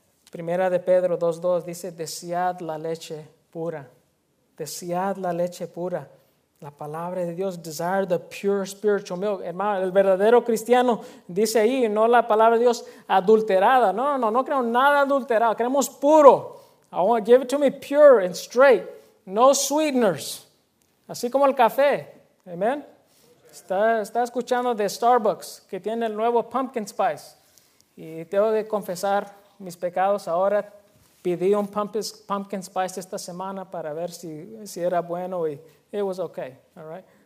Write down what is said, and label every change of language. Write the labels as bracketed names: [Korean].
[Spanish] Primera de Pedro 2:2 dice, desead la leche pura. Desead la leche pura. La palabra de Dios, [English] desire the pure spiritual milk. [Spanish] Hermano, el verdadero cristiano dice ahí, no la palabra de Dios adulterada. No, no, no, no creo nada adulterado. Queremos puro. [English] I want, give it to me pure and straight. No sweeteners. [Spanish] Así como el café. Amen. Está escuchando de Starbucks, que tiene el nuevo pumpkin spice. Y tengo que confesar mis pecados ahora. Pedí un pumpkin spice esta semana para ver si era bueno y [English] it was okay, all right.